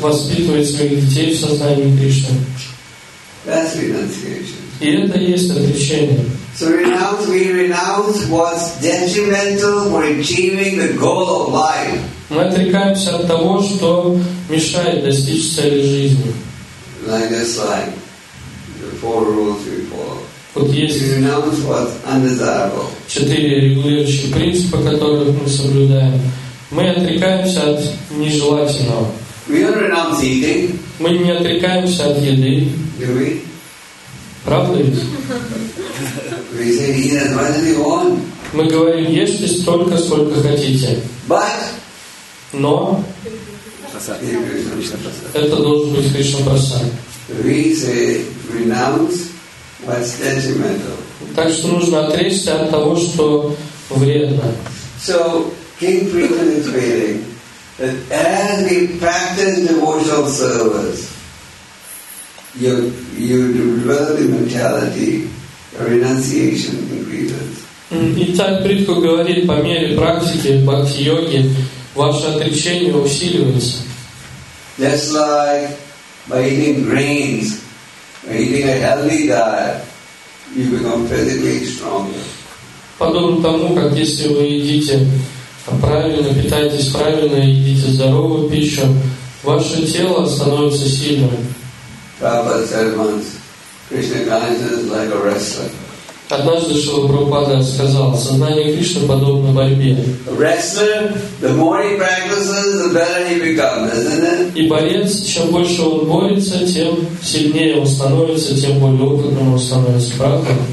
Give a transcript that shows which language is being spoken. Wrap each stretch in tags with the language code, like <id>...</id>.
<ru>Воспитывает своих детей в сознании Кришны.</ru> <en>That's renunciation.</en> <ru>И это есть отречение.</ru> <en>So renounce, we renounce what's detrimental for achieving the goal of life.</en> <ru>Мы отрекаемся от того, что мешает достичь цели жизни.</ru> <en>Like this, like the four rules we follow.</en> <ru>Вот есть четыре регулирующих принципа, которых мы соблюдаем. Мы отрекаемся от нежелательного.</ru> <en>We don't renounce eating.</en> <ru>Мы не отрекаемся от еды.</ru> <en>Do we?</en> <ru>Правда ведь?</ru> <en>We say, eat as much as you want.</en> <ru>Мы говорим, ешьте столько, сколько хотите.</ru> <en>But.</en> <ru>Но. Это должен быть Кришна Прасад.</ru> <en>We say, renounce. What's detrimental?</en> <ru>Так что нужно отречься от того, что вредно.</ru> <en>So King Prithvi is reading that as we practice devotional service, you develop the mentality, the renunciation increases.</en> <ru>Итак, Притху говорит, по мере практики бхакти йоги ваше отречение усиливается.</ru> <en>Just like by eating grains, by eating a healthy diet. You become physically stronger.</en> <ru>Подобно тому, как если вы едите правильно, питаетесь правильно, едите здоровую пищу, ваше тело становится сильным.</ru> <en>Prabhupada said once, Krishna consciousness is like a wrestler.</en> <ru>Однажды Шрила Прабхупада сказал, сознание Кришны подобно борьбе.</ru> <en>A wrestler, the more he practices, the better he becomes, isn't it?</en> <ru>И борец, чем больше он борется, тем сильнее он становится, тем более опытным он становится, правда?</ru>